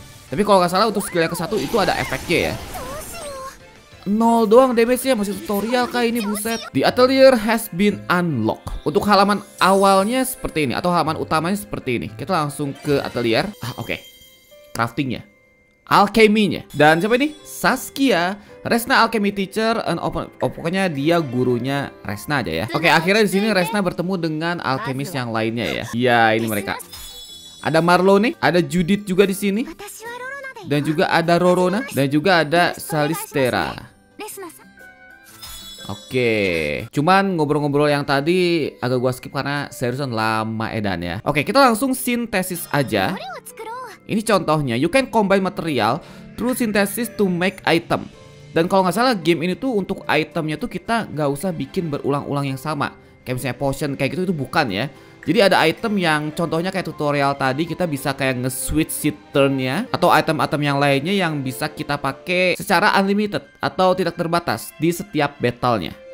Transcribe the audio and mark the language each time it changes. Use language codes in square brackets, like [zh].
[id] Tapi kalau gak salah untuk skill yang ke-1 itu ada efeknya ya. Nol doang damage-nya, masih tutorial kah ini, buset. [en] The Atelier has been unlocked. [id] Untuk halaman awalnya seperti ini, atau halaman utamanya seperti ini. Kita langsung ke Atelier. Oke. Crafting-nya. Alchemy-nya. Dan siapa ini? Saskia. Resna Alchemy Teacher. Pokoknya dia gurunya Resna aja ya. Oke, akhirnya di sini Resna bertemu dengan alchemist yang lainnya ya. Ya, ini mereka. Ada Marlo nih. Ada Judith juga di sini. Dan juga ada Rorona. Dan juga ada Salistera. Oke. Cuman ngobrol-ngobrol yang tadi agak gua skip karena seriusan lama edan ya. Oke, kita langsung sintesis aja. Ini contohnya. [en] You can combine material through synthesis to make item. [id] Dan kalau nggak salah game ini tuh untuk itemnya tuh kita nggak usah bikin berulang-ulang yang sama. Kayak misalnya potion kayak gitu, itu bukan ya. Jadi ada item yang contohnya kayak tutorial tadi, kita bisa kayak nge-switch seed turn-nya atau item-item yang lainnya yang bisa kita pakai secara unlimited atau tidak terbatas di setiap battle-nya.